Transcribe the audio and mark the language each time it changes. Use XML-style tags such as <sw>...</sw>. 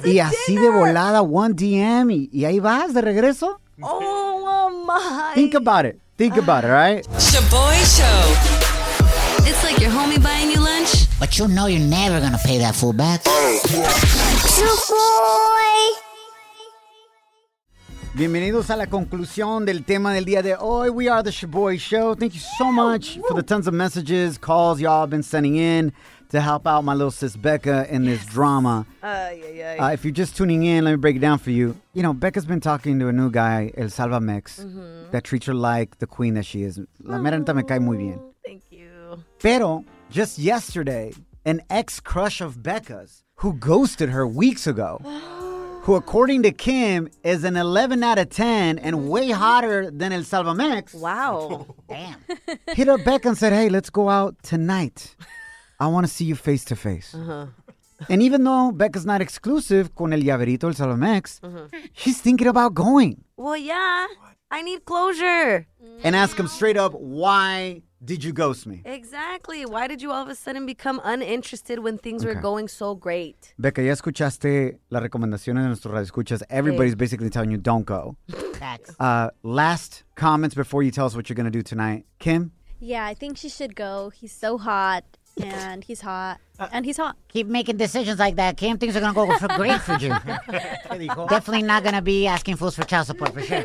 <es>dinner. Y así de volada,</es> <en>one DM.</en> <es>Y ahí vas, de regreso.</es> <en>Oh, my. Think about it. Think about it, right? Shaboy Show. It's like your homie buying you lunch. But you know you're never gonna pay that fool back. Shaboy!</en> <es>Bienvenidos a la conclusión del tema del día de hoy.</es> <en>We are the Shaboy Show. Thank you so much for the tons of messages, calls y'all have been sending in to help out my little sis Becca in this drama. If you're just tuning in, let me break it down for you. You know, Becca's been talking to a new guy, El Salvamex, that treats her like the queen that she is.</en> <es>La merenta me cae muy bien.</es> <en>Thank you. Pero, just yesterday, an ex-crush of Becca's, who ghosted her weeks ago, who according to Kim is an 11 out of 10 and way hotter than El Salvamex. Wow. Damn. Hit up Becca and said, hey, let's go out tonight. I want to see you face to face. And even though Becca's not exclusive</en> <es>con el llaverito,</es> <en>El Salvamex, she's thinking about going. Well, yeah. I need closure. And ask him straight up, why did you ghost me? Exactly. Why did you all of a sudden become uninterested when things were going so great?</en> <es>Becca, ya escuchaste las recomendaciones de nuestros radioescuchas.</es> <en>Everybody's basically telling you don't go. Facts. Last comments before you tell us what you're going to do tonight. Kim? Yeah, I think she should go. He's so hot. And he's hot. Keep making decisions like that, Kim. Things are going to go for great for you. Definitely not going to be asking fools for child support, for sure.</en>